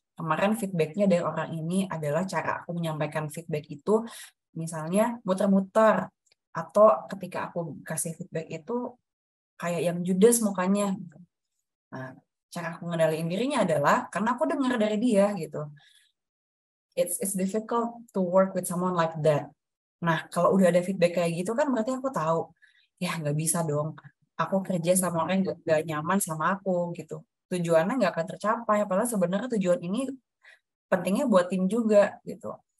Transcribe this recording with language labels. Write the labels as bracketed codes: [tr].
[id] Kemarin feedbacknya dari orang ini adalah cara aku menyampaikan feedback itu, misalnya muter-muter, atau ketika aku kasih feedback itu kayak yang judes mukanya. Nah, cara aku ngendaliin dirinya adalah karena aku dengar dari dia gitu. [en] It's difficult to work with someone like that. [id] Nah, kalau udah ada feedback kayak gitu kan berarti aku tahu, ya nggak bisa dong, aku kerja sama orang yang nggak nyaman sama aku gitu. Tujuannya nggak akan tercapai, padahal sebenarnya tujuan ini pentingnya buat tim juga gitu.